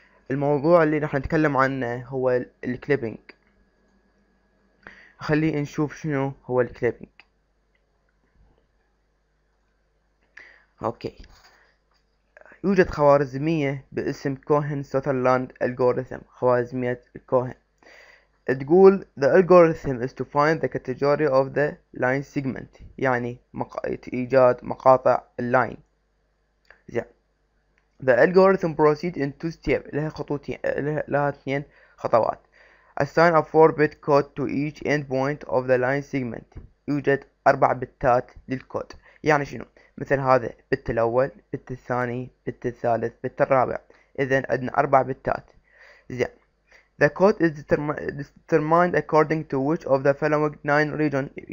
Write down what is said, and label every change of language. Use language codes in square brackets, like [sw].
[ar] الموضوع اللي راح نتكلم عنه هو الكليبينج. خلي نشوف شنو هو الكليبينج. أوكي، يوجد خوارزمية باسم كوهن سوترلاند ألغوريثم. خوارزمية كوهن تقول [en] the algorithm is to find the category of the line segment، [ar] يعني إيجاد مقاطع اللاين. زين، [en] the algorithm proceed in two steps، [ar] لها خطوتين، لها اثنين خطوات. [en] assign a 4-bit code to each endpoint of the line segment، [ar] يوجد 4 بتات للكود. يعني شنو؟ مثل هذا، بت الأول، بت الثاني، بت الثالث، بت الرابع. إذا عندنا 4 بتات. زين، [en] the code is determined according to which of the following 9 regions.